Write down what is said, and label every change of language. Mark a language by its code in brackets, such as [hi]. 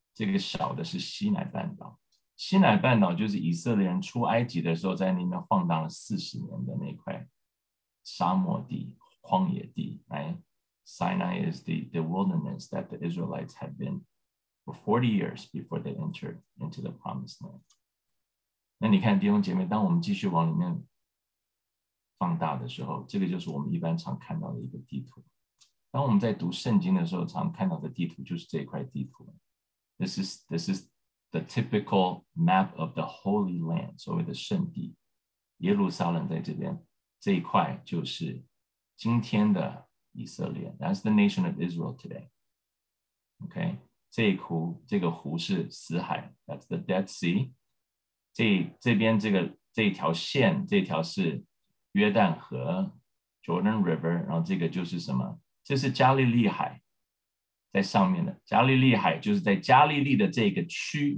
[zh] 这个小的是西奈半岛，西奈半岛就是以色列人出埃及的时候在那边晃荡了40年的那块沙漠地、荒野地 ， [en] Right? Sinai is the wilderness that the Israelites had been for 40 years before they entered into the Promised Land。 [zh] 那你看弟兄姐妹，当我们继续往里面放大的时候，这个就是我们一般常看到的一个地图。当我们在读圣经的时候，常看到的地图就是这块地图。 [en] This is the typical map of the Holy Land, [zh] 所谓的圣地。耶路撒冷在这边，这一块就是今天的以色列。 [en] That's the nation of Israel today. Okay, [zh] 这个湖是死海。 [en] That's the Dead Sea. [zh] 这边这条线，这条是约旦河 Jordan River， 然后这个就是什么，这是加利利海，在上面的加利利海就是在加利利的这个区。